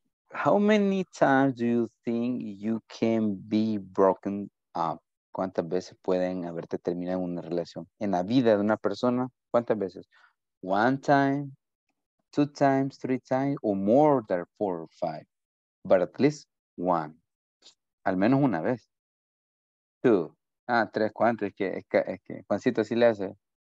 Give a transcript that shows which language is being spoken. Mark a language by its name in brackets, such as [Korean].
[English] How many times do you think you can be broken up? [Spanish] ¿Cuántas veces pueden haberte terminado una relación en la vida de una persona? ¿Cuántas veces? [English] One time, two times, three times, or more than four or five, but at least one, [Spanish] al menos una vez. [English] Two. [Spanish] Tres, cuántos, es que Juancito sí le hace.